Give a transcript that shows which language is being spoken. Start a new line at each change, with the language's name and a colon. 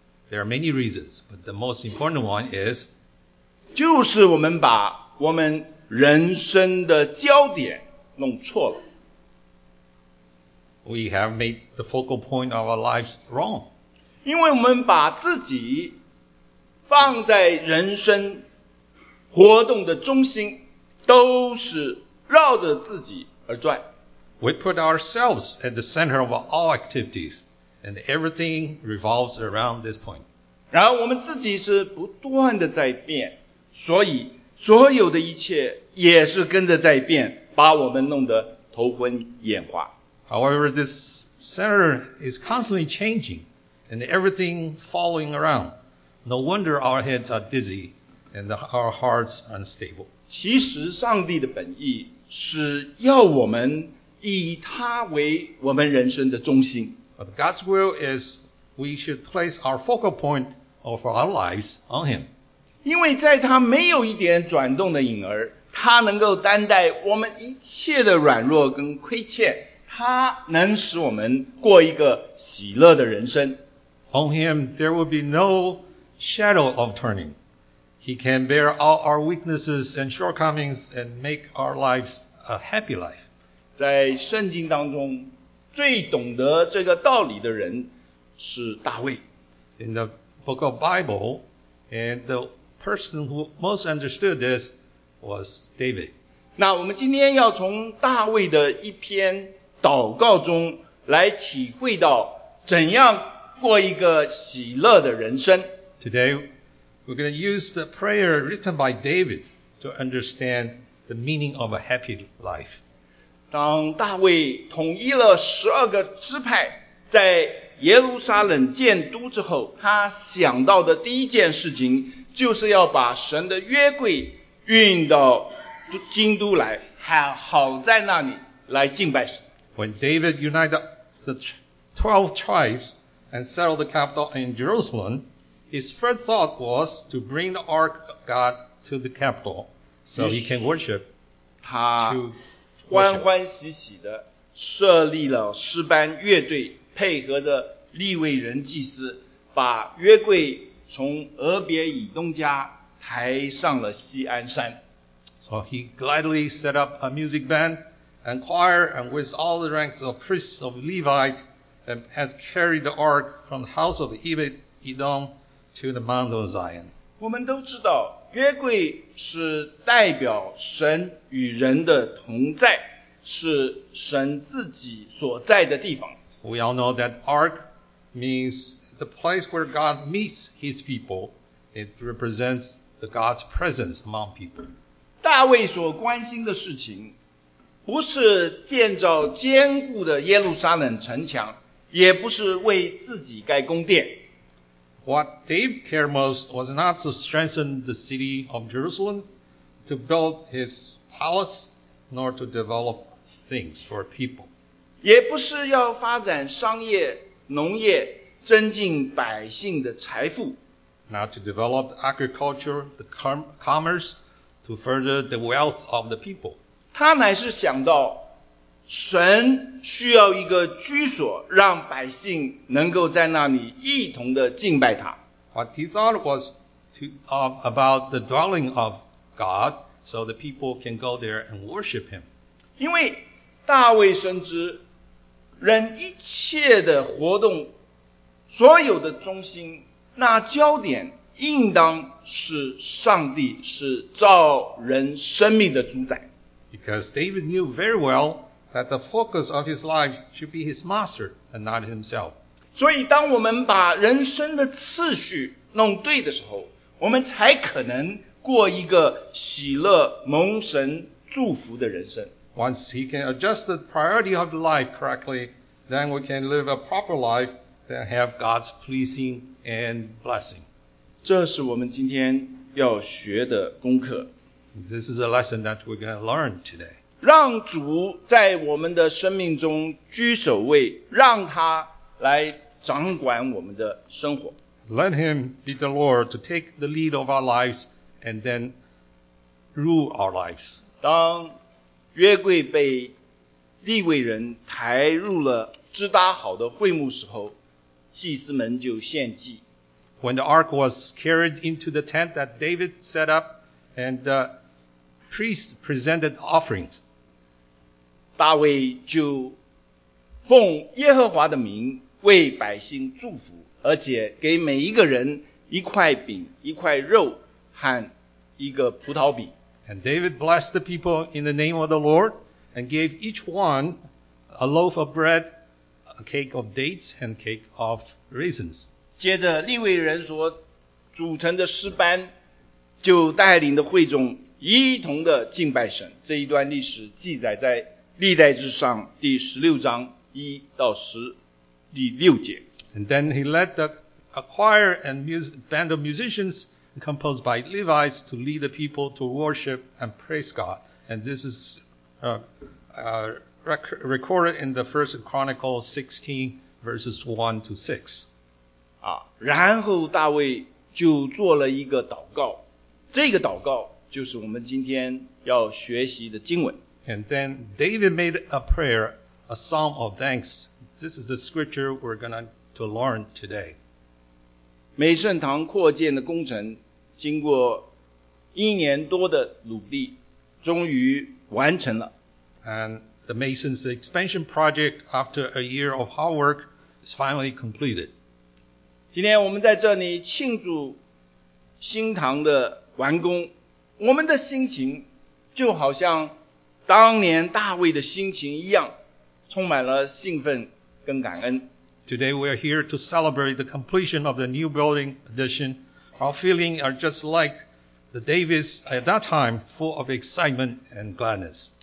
English: There are many reasons, but the most important one is,
Chinese: 就是我们把我们人生的焦点弄错了。
English: We have made the focal point of our lives wrong.
Chinese: 因为我们把自己放在人生活动的中心，都是绕着自己而转。
English: We put ourselves at the center of all activities, and everything revolves around this point.
Chinese: 然后我们自己是不断的在变，所以所有的一切也是跟着在变，把我们弄得头昏眼花。
English: However, this center is constantly changing, and everything following around. No wonder our heads are dizzy, and our hearts unstable.
Chinese: 其实上帝的本意是要我们以他为我们人生的中心。
English: But God's will is we should place our focal point of our lives on him.
Chinese: 因为在他没有一点转动的影儿，他能够担待我们一切的软弱跟亏欠。他能使我们过一个喜乐的人生。
English: On him, there will be no shadow of turning. He can bear all our weaknesses and shortcomings and make our lives a happy life.
Chinese: 在圣经当中，最懂得这个道理的人是大卫。
English: In the book of Bible, and the person who most understood this was David.
Chinese: 那我们今天要从大卫的一篇祷告中来体会到怎样过一个喜乐的人生。
English: Today, we're going to use the prayer written by David to understand the meaning of a happy life.
Chinese: 当大卫统一了十二个支派，在耶路撒冷建都之后，他想到的第一件事情就是要把神的约柜运到京都来，好在那里来敬拜神。
English: When David united the 12 tribes and settled the capital in Jerusalem, his first thought was to bring the ark of God to the capital so he can worship.
Chinese: 他欢欢喜喜地设立了诗班乐队，配合着利未人祭司，把约柜从俄别以东家抬上了锡安山。
English: So he gladly set up a music band and choir and with all the ranks of priests of Levites and has carried the ark from the house of Obed-Edom to the Mount of Zion.
Chinese: 我们都知道约柜是代表神与人的同在，是神自己所在的地方。
English: We all know that ark means the place where God meets his people. It represents the God's presence among people.
Chinese: 大卫所关心的事情不是建造坚固的耶路撒冷城墙，也不是为自己盖宫殿。
English: What David cared most was not to strengthen the city of Jerusalem, to build his palace, nor to develop things for people.
Chinese: 也不是要发展商业、农业，增进百姓的财富。
English: Not to develop agriculture, the commerce, to further the wealth of the people.
Chinese: 他乃是想到神需要一个居所，让百姓能够在那里一同的敬拜他。
English: What he thought was about the dwelling of God, so the people can go there and worship him.
Chinese: 因为大卫深知，人一切的活动，所有的中心，那焦点应当是上帝，是造人生命的主宰。
English: Because David knew very well that the focus of his life should be his master and not himself.
Chinese: 所以当我们把人生的次序弄对的时候，我们才可能过一个喜乐蒙神祝福的人生。
English: Once he can adjust the priority of the life correctly, then we can live a proper life that have God's pleasing and blessing.
Chinese: 这是我们今天要学的功课。
English: This is a lesson that we're going to learn today.
Chinese: 让主在我们的生命中居首位，让他来掌管我们的生活。
English: Let him be the Lord to take the lead of our lives and then rule our lives.
Chinese: 当约柜被利未人抬入了支搭好的会幕时候，祭司们就献祭。
English: When the ark was carried into the tent that David set up, and the priest presented offerings,
Chinese: 大卫就奉耶和华的名为百姓祝福，而且给每一个人一块饼、一块肉和一个葡萄饼。
English: And David blessed the people in the name of the Lord and gave each one a loaf of bread, a cake of dates, and a cake of raisins.
Chinese: 接着利未人所组成的诗班就带领的会众一同的敬拜神。这一段历史记载在历代志上第16章1到10第6节。
English: And then he led a choir and band of musicians composed by Levites to lead the people to worship and praise God. And this is recorded in the First Chronicles 16 verses 1-6.
Chinese: 然后大卫就做了一个祷告，这个祷告就是我们今天要学习的经文。
English: And then David made a prayer, a psalm of thanks. This is the scripture we're going to learn today.
Chinese: 美圣堂扩建的工程经过一年多的努力，终于完成了。
English: And the Mason's expansion project after a year of hard work is finally completed.
Chinese: 今天我们在这里庆祝新堂的完工，我们的心情就好像当年大卫的心情一样，充满了兴奋跟感恩。
English: Today we are here to celebrate the completion of the new building addition. Our feelings are just like the Davids at that time, full of excitement and gladness.